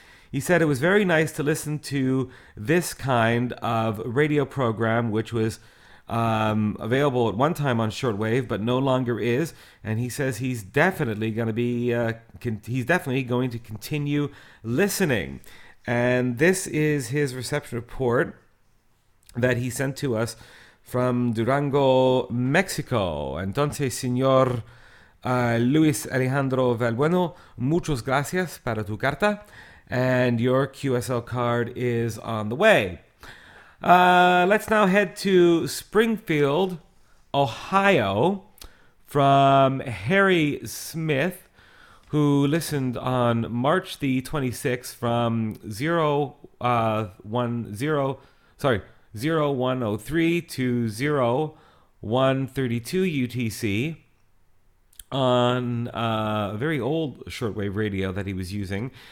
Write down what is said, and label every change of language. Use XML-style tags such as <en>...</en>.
<en>He said it was very nice to listen to this kind of radio program, which was available at one time on shortwave, but no longer is. And he says he's definitely going to be, he's definitely going to continue listening. And this is his reception report that he sent to us from Durango, Mexico.</en> <es>Entonces, señor Luis Alejandro Valbueno, muchas gracias para tu carta.</es> <en>And your QSL card is on the way. Let's now head to Springfield, Ohio, from Harry Smith, who listened on March the 26th from 0103 to 0132 UTC on a very old shortwave radio that he was using.</en>